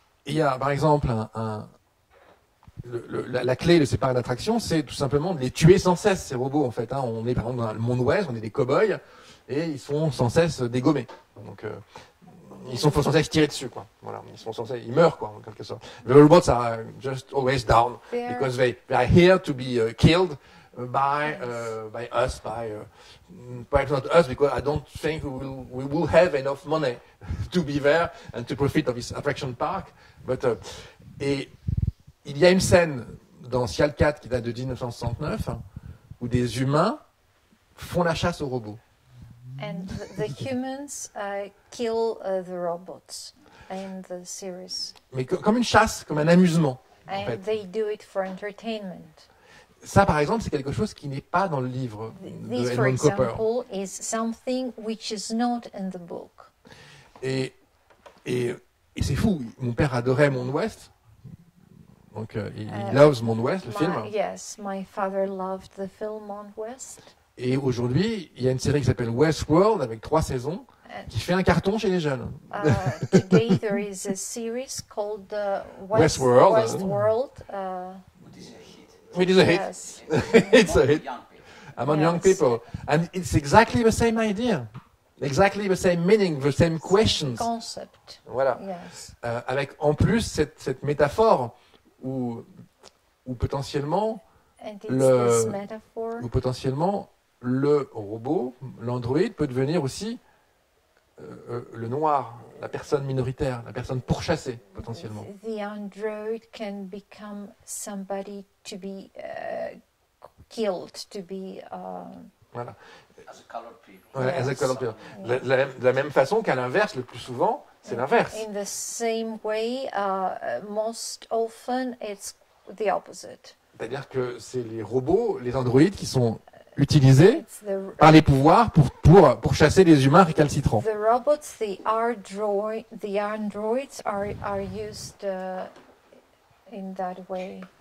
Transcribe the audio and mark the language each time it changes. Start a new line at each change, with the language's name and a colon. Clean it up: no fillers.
French: Il y a, par exemple, la clé de ces parcs d'attraction, c'est tout simplement de les tuer sans cesse, ces robots, en fait. Hein. On est, par exemple, dans le monde ouest, on est des cow-boys, et ils sont sans cesse dégommés. Donc, ils sont sans cesse tirés dessus, quoi. Voilà, ils sont sans cesse, ils meurent, quoi, en quelque sorte.
English: The robots are just always down, because they are here to be killed by us, perhaps not us, because I don't think we will have enough money to be there and to profit of this attraction park.
French: But et il y a une scène dans Sial 4 qui date de 1969 où des humains font la chasse aux robots.
English: And the humans kill the robots in the series.
French: Mais comme une chasse, comme un amusement.
English: And
French: en fait.
English: They do it for entertainment.
French: Ça, par exemple, c'est quelque chose qui n'est pas dans le livre de Edmund Cooper.
English: This, for example, is something which is not in the book.
French: Et c'est fou. Mon père adorait Monde Ouest. Donc, il
English: loves
French: Monde Ouest, le film.
English: Yes, my father loved the film Monde Ouest.
French: Et aujourd'hui, il y a une série qui s'appelle Westworld, avec 3 saisons, qui fait un carton chez les jeunes.
English: Today, there is a series called Westworld. It is a hit. Yes. It's a hit. Among young people. And it's exactly the same idea. Exactly the same meaning, the same questions. Concept.
French: Voilà.
English: Yes.
French: Avec en plus cette métaphore où potentiellement
English: And it's this metaphor.
French: Où potentiellement le robot, l'androïde, peut devenir aussi le noir, la personne minoritaire, la personne pourchassée potentiellement.
English: The android can become somebody to be killed, to be.
French: Voilà.
English: As a colored people. Ouais, yes. As a colored people.
French: De la même façon qu'à l'inverse, le plus souvent, c'est l'inverse.
English: In the same way, most often it's the opposite.
French: C'est-à-dire que c'est les robots, les androïdes qui sont utilisés par les pouvoirs pour chasser les humains récalcitrants.
English: The robots, the androids are used in that way.